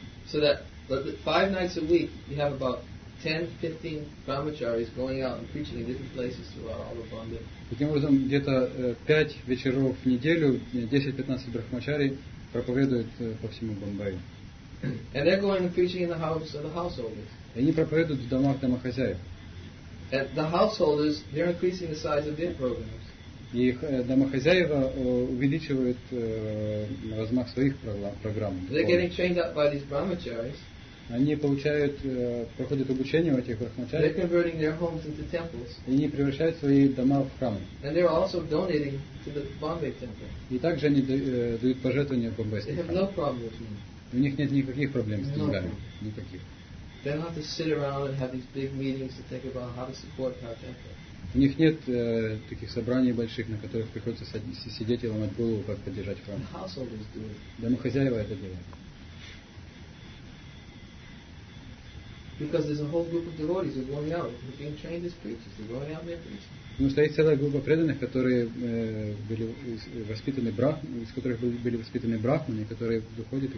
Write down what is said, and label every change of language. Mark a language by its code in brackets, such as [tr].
[en] So that five nights a week you have about 10-15 brahmacharis going out and preaching in different places throughout all of Bombay. [ru] Таким образом, где-то 5 вечеров в неделю 10-15 брахмачари проповедуют по всему Бомбаю. [en] And they're going and preaching in the house of the householders. [ru] И они проповедуют в домах домохозяев. [en] And the householders, they're increasing the size of their programs. [ru] И домохозяева увеличивают размах своих программ. [en] They're getting trained up by these brahmacharis. [ru] Они получают, проходят обучение у этих брахмачари. [en] They're converting their homes into temples. [ru] И они превращают свои дома в храмы. [en] And they're also donating to the Bombay temple. [ru] И также они дают пожертвования в Бомбейский [en] храм. They have no problem with money. [ru] У них нет никаких проблем с деньгами. Никаких. [en] They don't have to sit around and have these big meetings to think about how to support our temple. [ru] У них нет таких собраний больших, на которых приходится сидеть и ломать голову, как поддержать храм. Домохозяева это делают. [en] Because there's a whole group of devotees who are going out, who are being trained as preachers, they're going out there preaching. [ru] Ну, стоит целая группа преданных, которые были воспитаны из которых были воспитаны брахманы, которые выходят и